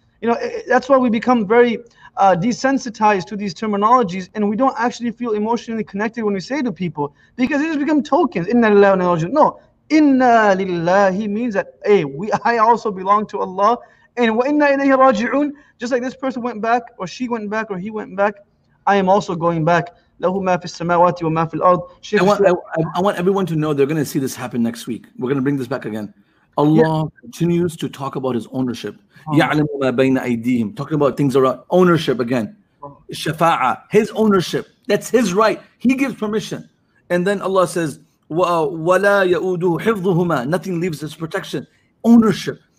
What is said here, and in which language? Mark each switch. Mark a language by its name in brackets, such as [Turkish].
[English] You know, that's why we become very desensitized to these terminologies, and we don't actually feel emotionally connected when we say to people, because it has become tokens. [Arabic] Inna lillahi wa inna ilayhi raji'un. [English] No, inna lillahi means that, hey, I also belong to Allah, and wa inna ilayhi raji'un, just like this person went back, or she went back, or he went back, I am also going back. [Arabic] له ما في السماوات وما في الأرض. [English] I want everyone to know they're going to see this happen next week. We're going to bring this back again. Allah continues to talk about His ownership. [Arabic] يَعْلَمُ مَا بَيْنَ أَيْدِيهِمْ, [English] talking about things around ownership again. Shafa'a, His ownership. That's His right. He gives permission. And then Allah says, [Arabic] وَلَا يَؤُدُهُ حِفْظُهُمَا, [English] nothing leaves His protection. Ownership.